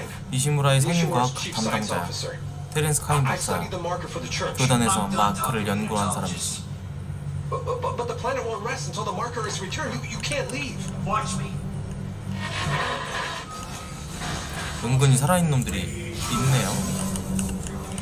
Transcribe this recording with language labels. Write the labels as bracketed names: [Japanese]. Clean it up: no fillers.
[Korean] 이시무라의 생인과학 담당자야. 테렌스 카인 박사야. 교단에서 마크를 연구한 사람이지. [English] But the planet won't rest until the marker is returned. You can't leave. Watch me. [Korean] 은근히 살아있는 놈들이 있네요.